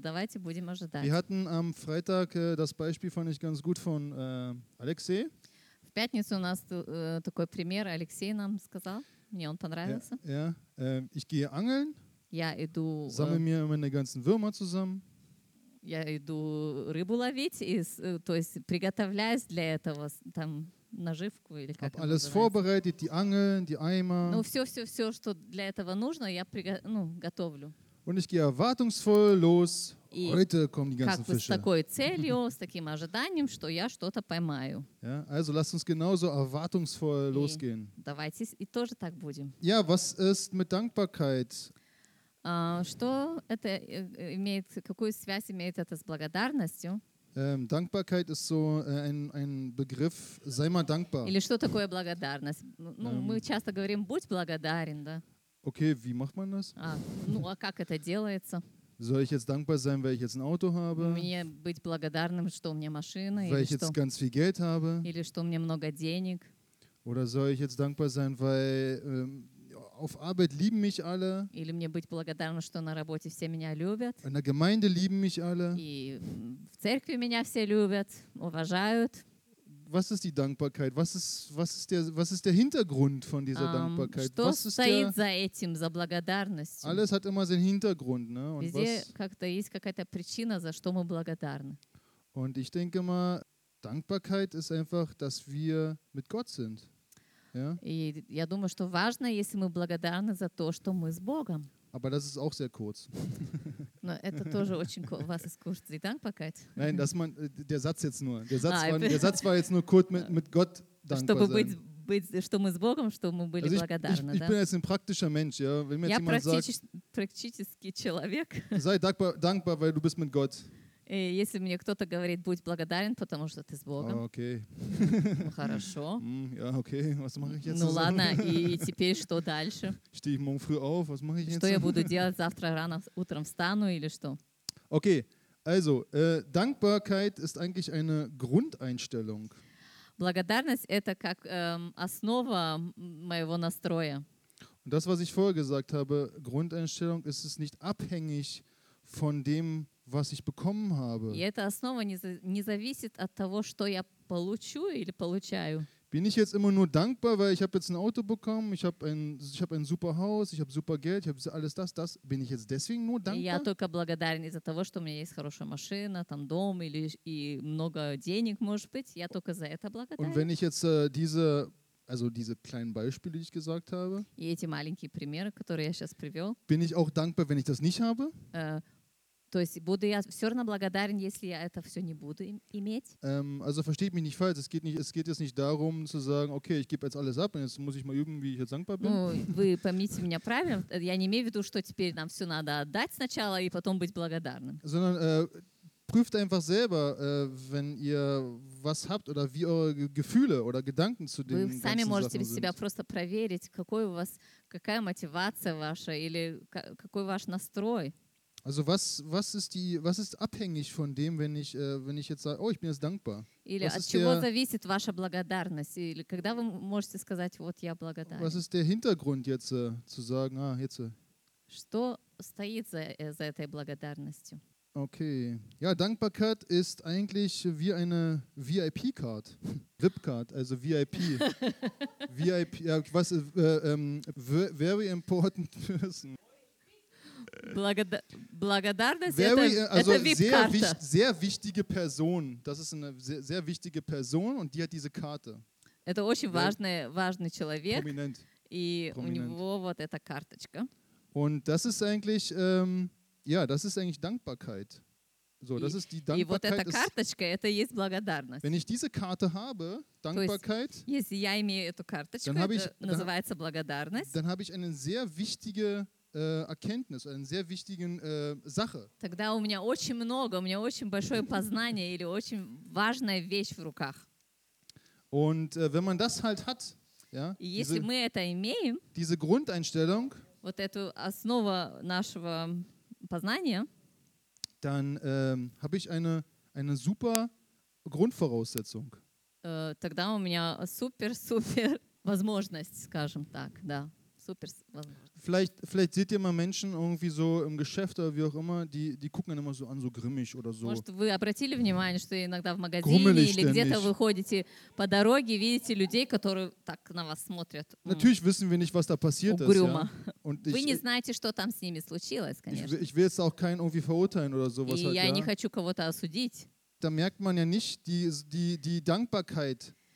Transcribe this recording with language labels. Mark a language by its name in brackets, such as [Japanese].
[Russian] Давайте будем ожидать. [German] Wir hatten am Freitag das Beispiel fand ich ganz gut von Alexei. [Russian] В пятницу у нас такой пример Алексей нам сказал. Мне он понравился. [German] Ja, ja. Ich gehe angeln. [Russian] Я иду. [German] Sammle mir meine ganzen Würmer zusammen. [Russian] Я иду рыбу ловить и, то есть, приготовляюсь для этого там наживку или как. [German] Hab alles vorbereitet, die Angeln, die Eimer. [Russian] Ну все, что для этого нужно, я готовлю. [German] Und ich gehe erwartungsvoll los [Russian] И [German] heute kommen die ganzen [Russian] как [German] Fische. [Russian] С такой целью, с таким ожиданием, что я что-то поймаю. [German] Ja, also lasst uns genauso erwartungsvoll losgehen. [Russian] Давайте и тоже так будем. [German] Ja, was ist mit Dankbarkeit? [Russian] Что это имеет, какую связь имеет это с благодарностью? [German] Dankbarkeit ist so ein Begriff, sei mal dankbar. [Russian] Или что такое благодарность? Ну, мы часто говорим, будь благодарен, да. [German] Okay, wie macht man das? [Russian] Ну, а как это делается? [German] Soll ich jetzt dankbar sein, weil ich jetzt ein Auto habe? [Russian] Мне быть благодарным, что у меня машина, [German] weil ich jetzt ganz viel Geld habe? [Russian] Или что у меня много денег? [German] Oder soll ich jetzt dankbar sein, weil auf Arbeit lieben mich alle? [Russian] Или мне быть благодарным, что на работе все меня любят? [German] In der Gemeinde lieben mich alle? [Russian] И в церкви меня все любят, уважают. [German] Was ist die Dankbarkeit? Was ist der Hintergrund von dieser Dankbarkeit? [Russian] Что [German] was ist [Russian] стоит [German] der, [Russian] за этим, за благодарностью? [German] Alles hat immer seinen Hintergrund, ne? Und [Russian] везде [German] was, [Russian] как-то есть какая-то причина, за что мы благодарны. [German] Und ich denke mal, Dankbarkeit ist einfach, dass wir mit Gott sind. Ja? [Russian] И я думаю, что важно, если мы благодарны за то, что мы с Богом. [German] Aber das ist auch sehr kurz. [Russian] Но это тоже очень кол. Вас искушать за [German] дankbarkeit. Nein, dass man der Satz jetzt nur. Der Satz war jetzt nur kurz mit Gott dankbar sein. [Russian] Чтобы быть, что мы с Богом, что мы были [German] also [Russian] благодарны. [German] Ich bin jetzt ein praktischer Mensch, ja. Wenn mir jemand sagt, [Russian] практический человек. [German] Sei dankbar, weil du bist mit Gott. [Russian] И если мне кто-то говорит, будь благодарен, потому что ты с Богом. Окей. Ну хорошо. [German] Ja, okay. Was mache ich jetzt? [Russian] Ну ладно, и теперь что дальше? [German] Stehe ich morgen früh auf? Was mache ich jetzt? [Russian] Что я буду делать завтра рано утром встану или что? Окей. [German] Also, Dankbarkeit ist eigentlich eine Grundeinstellung. [Russian] Благодарность это как основа моего настроя. [German] Und das, was ich vorher gesagt habe, Grundeinstellung ist es nicht abhängig von dem was ich bekommen habe. [Russian] И эта основа не зависит от того, что я получу или получаю. [German] Bin ich jetzt immer nur dankbar, weil ich habe jetzt ein Auto bekommen, ich habe ein super Haus, ich habe super Geld, ich habe alles das, bin ich jetzt deswegen nur dankbar? [Russian] Я только благодарен из-за того, что у меня есть хорошая машина, там дом или и много денег, может быть, я только за это благодарен. [German] Und wenn ich jetzt diese kleinen Beispiele, die ich gesagt habe, [Russian] и эти маленькие примеры, которые я сейчас привел, [German] bin ich auch dankbar, wenn ich das nicht habe? [Russian] То есть буду я все равно благодарен, если я это все не буду иметь? [German] Also versteht mich nicht falsch. Es geht jetzt nicht darum zu sagen, okay, ich gebe jetzt alles ab, und jetzt muss ich mal üben, wie ich jetzt dankbar bin. [Russian] Ну, вы поймите меня правильно. Я не имею в виду, что теперь нам все надо отдать сначала и потом быть благодарным. [German] Sondern prüft einfach selber, wenn ihr was habt oder wie eure Gefühle oder Gedanken zu den ganzen Sachen sind. [Russian] Вы сами можете себя просто проверить, какой у вас, какая мотивация ваша или какой ваш настрой. [German] Also was ist abhängig von dem, wenn ich jetzt sage, oh, ich bin jetzt dankbar. [Russian] Или [German] was [Russian] от чего [German] der, [Russian] зависит ваша благодарность? Или когда вы можете сказать, вот я благодарен? [German] Was ist der Hintergrund jetzt zu sagen, ah, jetzt? [Russian] Что стоит за этой благодарностью? [German] Okay, ja, Dankbarkeit ist eigentlich wie eine VIP-Card, VIP-Card, also VIP, VIP, ja, was [English] very important person. [Russian] Благодарность – это VIP-карта. [German] Sehr wichtige Person. Das ist eine sehr, sehr wichtige Person und die hat diese Karte. [Russian] Это очень важный человек. [German] Prominent. [Russian] И у него вот эта карточка. [German] Und das ist eigentlich, ja, das ist eigentlich Dankbarkeit. So, das ist die Dankbarkeit. [Russian] И вот эта карточка – это есть благодарность. [German] Wenn ich diese Karte habe, Dankbarkeit, [Russian] если я имею эту карточку, [German] dann [Russian] это называется благодарность. [German] Dann habe ich eine sehr wichtige Erkenntnis, eine sehr wichtige Sache. [Russian] Тогда у меня очень много, у меня очень большое познание или очень важная вещь в руках. [German] Und wenn man das halt hat, ja, [Russian] если мы это имеем, [German] diese Grundeinstellung, [Russian] вот эту основу нашего познания, [German] dann habe ich eine super Grundvoraussetzung. [Russian] Тогда у меня супер возможность, скажем так, да. [German] Vielleicht seht ihr mal Menschen irgendwie so im Geschäft oder wie auch immer, die gucken dann immer so an, so grimmig oder so. [Russian] Может, вы обратили внимание, что иногда в магазине или где-то вы ходите по дороге, видите людей, которые так на вас смотрят. [German] Natürlich wissen wir nicht, was da passiert ist. [Russian] Угрюмо. [German] Ja? Und [Russian] вы не знаете, что там с ними случилось, конечно. [German] Ich will jetzt auch keinen irgendwie verurteilen oder sowas. [Russian] И [German] halt, [Russian] я [German] ja? [Russian] не хочу кого-то осудить. [German] Da merkt man ja nicht die Dankbarkeit.